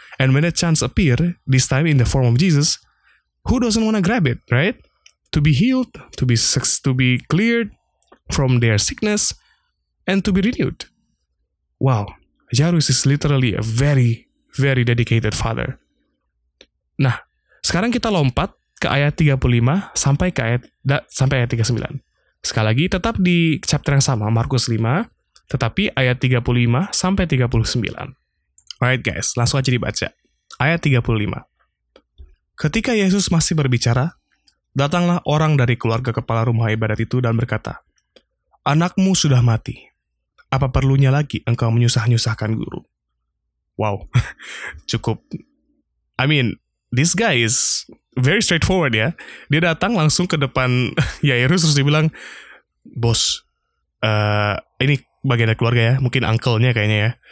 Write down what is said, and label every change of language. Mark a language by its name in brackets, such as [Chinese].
[English] And when that chance appear, this time in the form of Jesus, who doesn't want to grab it, right? To be healed, to be cleared from their sickness, and to be renewed. Wow, Jairus is literally a very, very dedicated father. [Indonesian] Nah, sekarang kita lompat ke ayat 35 sampai ayat 39. Sekali lagi, tetap di chapter yang sama, Markus 5. Tetapi ayat 35 sampai 39. [English] Alright guys, [Indonesian] langsung aja dibaca. Ayat 35. Ketika Yesus masih berbicara, datanglah orang dari keluarga kepala rumah ibadat itu dan berkata, "Anakmu sudah mati. Apa perlunya lagi engkau menyusah-nyusahkan guru?" Wow, cukup. [English] I mean, this guy is very straightforward ya. [Indonesian] Dia datang langsung ke depan Yairus terus dibilang, "Bos, ini bagian dari keluarga ya, mungkin uncle-nya kayaknya ya.